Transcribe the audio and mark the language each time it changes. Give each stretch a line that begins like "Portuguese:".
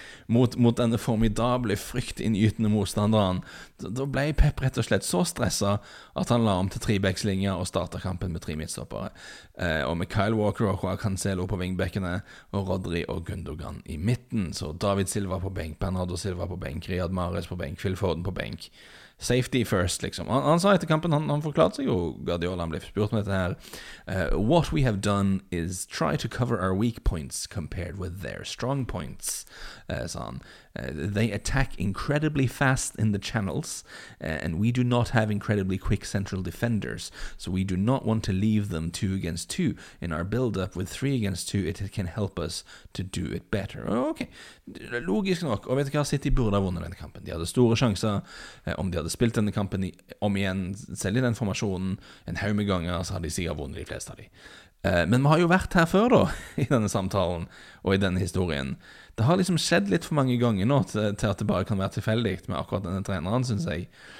Norwegian: Mot denne formidable fryktinngytende motstanderen, da ble Pep rett og slett så stresset at han la om til trebackslinja og startet kampen med tre midtstoppere. Og med Kyle Walker og Joao Cancelo på vingbekkene, og Rodri og Gundogan I midten, så David Silva på benk, Bernardo Silva på benk, Riyad Mahrez på benk, Phil Foden på benk.
English: Safety first, liksom.
Norwegian: Han sa etter kampen, han forklarte seg jo, Guardiola ble spurt med dette her.
English: What we have done is try to cover our weak points compared with their strong points,
Norwegian: sa han.
English: They attack incredibly fast in the channels, and we do not have incredibly quick central defenders, so we do not want to leave them two against two. In our build-up with three against two, it can help us to do it better.
Norwegian: Ok, logisk nok, og vet du hva, City burde ha vunnet denne kampen. De hadde store sjanser, om de hadde spilt denne kampen om igjen, selv I den formasjonen, en haug med ganger, så hadde de sikkert vunnet de fleste av dem. Men vi har jo vært her før da, I denne samtalen, og I denne historien. Det har liksom skjedd litt for mange ganger nå til at det bare kan være tilfeldigt med akkurat denne treneren, synes jeg.